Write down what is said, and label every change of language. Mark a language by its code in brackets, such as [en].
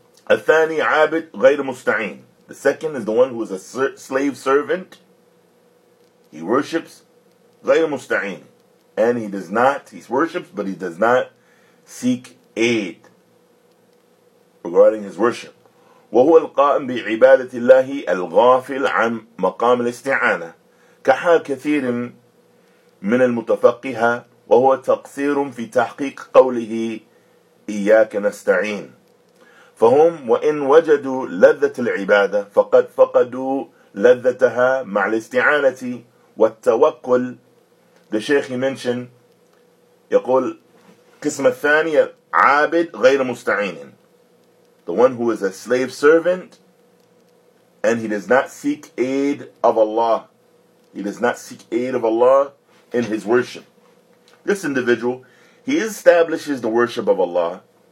[ar] الثاني عابد غير مستعين. [en] The second is the one who is a slave servant. He worships [ar] غير مستعين. [en] And he does not, he worships, but he does not seek aid regarding his worship. [ar] وهو القائم بعبادة الله الغافل عن مقام الاستعانة. كحال كثير من المتفقهة. وهو تقصير في تحقيق قوله إياك نستعين فهم وإن وجدوا لذة العبادة فقد فقدوا لذتها مع الاستعانة والتوكل. [en] The Shaykh, he mentioned, [ar] يقول قسم الثاني عابد غير مستعين, [en] the one who is a slave servant and he does not seek aid of Allah, he does not seek aid of Allah in his worship. This individual, he establishes the worship of Allah